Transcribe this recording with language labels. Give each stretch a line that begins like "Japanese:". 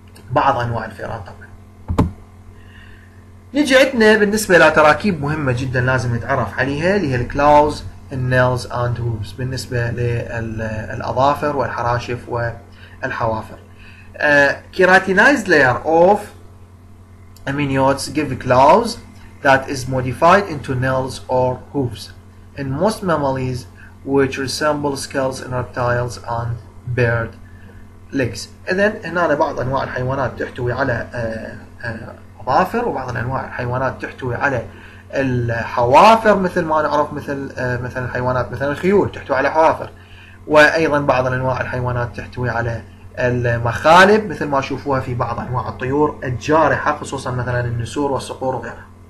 Arabic: بعض انواع الفئران طبعا. نجي عندنا بالنسبة لتراكيب مهمة جدا لازم نتعرف عليها، اللي هي
English: الكلاوز النيلز and hooves,
Arabic: بالنسبة للاظافر والحراشف والحوافر.
English: Keratinized layer of amniotes give claws that is modified into nails or hooves in most mammals which resemble scales in reptiles and bird legs.
Arabic: إذن هنا بعض أنواع الحيوانات تحتوي على أظافر، وبعض أنواع الحيوانات تحتوي على الحوافر، مثل ما نعرف مثل الحيوانات مثل الخيول تحتوي على حوافر، وأيضا بعض أنواع الحيوانات تحتوي على المخالب مثل ما شوفوها في بعض أنواع الطيور الجارحة، خصوصا مثلا النسور والصقور وغيرها.